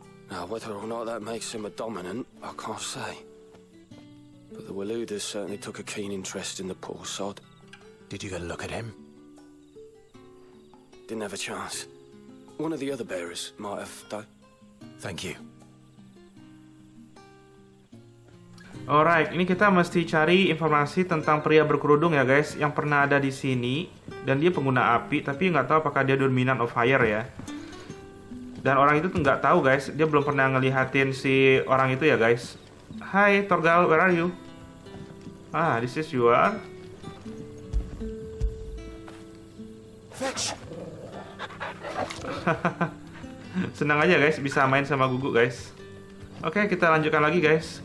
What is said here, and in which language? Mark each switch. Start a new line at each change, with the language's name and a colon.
English: Now, whether or not that makes him a dominant, I can't say. But the Waludas certainly took a keen interest in the poor sod. Did you get a look at him? Didn't have a chance. One of the other bearers might have, though. Thank you.
Indonesian: Alright, ini kita mesti cari informasi tentang pria berkerudung ya guys, yang pernah ada di sini. Dan dia pengguna api, tapi nggak tahu apakah dia
English: dominant of fire
Indonesian: ya. Dan orang itu nggak tahu guys, dia belum pernah ngelihatin si orang itu ya guys.
English: Hai Torgal, where are you? Ah, this is you are. Fetch.
Indonesian: Senang aja guys, bisa main sama Gugu guys. Oke, kita lanjutkan lagi guys.